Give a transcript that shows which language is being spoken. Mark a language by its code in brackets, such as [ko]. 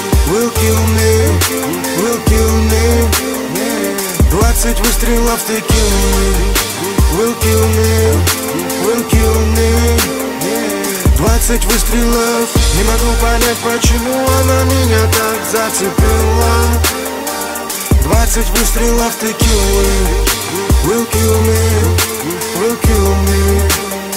[en] Will kill me, will kill me. [ru] 20 выстрелов ты килл. [en] Will kill me, will kill me. [ru] 20 выстрелов. Не могу понять, почему она меня так зацепила. 20 выстрелов ты килл. [en] Will kill me, will kill me.